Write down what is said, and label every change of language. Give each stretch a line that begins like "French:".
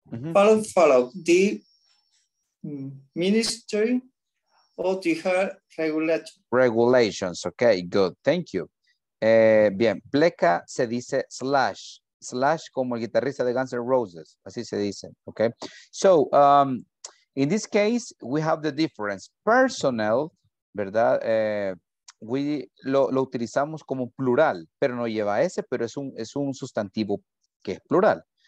English: Mm-hmm. Follow the ministry of the health regulations. Okay, good. Thank you.
Spanish: Bien, pleca se dice slash. Slash como el guitarrista de Guns N' Roses. Así se dice. Okay.
English: So, in this case, we have the difference.
Spanish: Personnel, ¿verdad? We lo utilizamos como plural, pero no lleva ese, pero es un sustantivo que es plural.